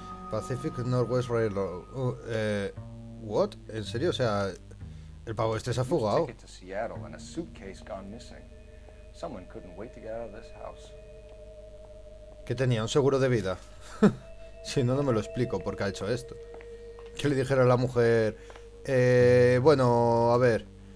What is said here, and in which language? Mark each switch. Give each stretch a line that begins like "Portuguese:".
English: Pacific Northwest Railroad. What?
Spanish: ¿En serio? O sea, el pavo este se ha fugado.
English: Ticket to Seattle and a suitcase gone missing. Someone couldn't wait to get out of this house.
Spanish: ¿Qué tenía? ¿Un seguro de vida? Si no, no me lo explico por qué ha hecho esto. ¿Qué le dijera a la mujer? Bueno, a ver.